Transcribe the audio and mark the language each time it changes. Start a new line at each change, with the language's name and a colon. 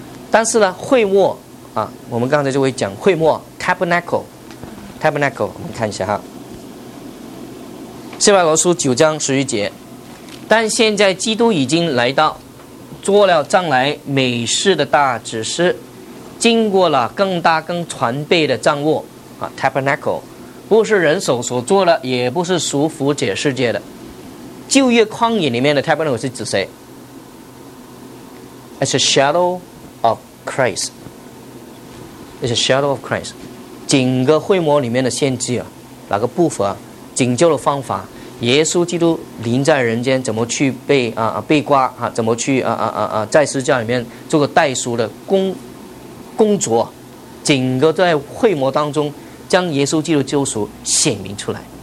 Chinese: 但是呢，会幕啊，我们刚才就会讲会幕 tabernacle， 我们看一下哈，希伯来书九章十一节，但现在基督已经来到，做了将来美事的大祭司。经过了更大更传备的帐幕啊 ，tabernacle， 不是人手所做的，也不是属乎这世界的。旧约旷野里面的 tabernacle 是指谁 ？
English: It's a shadow of Christ. It's a shadow of Christ.
Chinese: 整个会幕里面的献祭啊，哪个部分啊？拯救的方法，耶稣基督临在人间怎么去被啊被挂啊？怎么去在十字架里面做个代赎的工作，整个在会幕当中将耶稣基督救赎显明出来。